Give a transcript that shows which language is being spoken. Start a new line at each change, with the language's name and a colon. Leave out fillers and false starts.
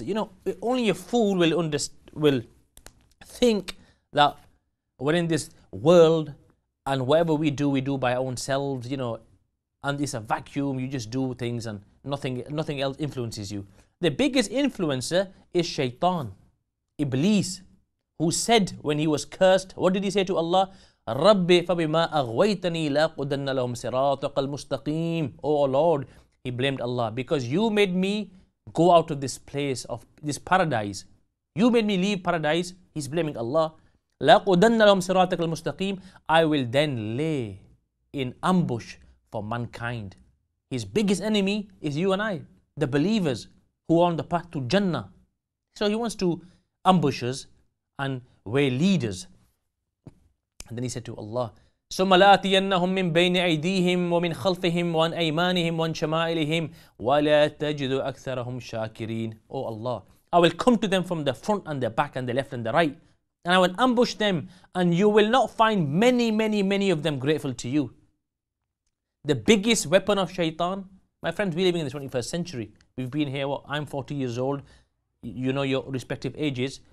English: You know, only a fool will think that we're in this world and whatever we do by ourselves, you know, and it's a vacuum, you just do things and nothing else influences you. The biggest influencer is Shaitan, Iblis, who said when he was cursed, what did he say to Allah?
Arabic: Rabbi فَبِمَا أَغْوَيْتَنِي لَا قُدَنَّ لَهُمْ سِرَاطَقَ الْمُسْتَقِيمِ.
English: Oh Lord, he blamed Allah, because you made me go out of this place, of this paradise. You made me leave paradise. He's blaming Allah.
Arabic: لَا قُدَنَّ لَهُمْ سِرَاطَقَ الْمُسْتَقِيمِ.
English: I will then lay in ambush for mankind. His biggest enemy is you and I, the believers who are on the path to Jannah. So he wants to ambush us and waylead us. And then he said to Allah,
Arabic: ثُمَّ لَأَتِيَنَّهُمْ مِنْ بَيْنِ أَيْدِيهِمْ وَمِنْ خَلْفِهِمْ وَعَنْ أَيْمَانِهِمْ وَعَنْ شَمَائِلِهِمْ وَلَا تَجِدُ أَكْثَرَهُمْ شَاكِرِينَ.
English: Oh Allah, I will come to them from the front and the back and the left and the right, and I will ambush them, and you will not find many, many, many of them grateful to you. The biggest weapon of Shaitan, my friends, we're living in the 21st century. We've been here, I'm 40 years old. You know your respective ages.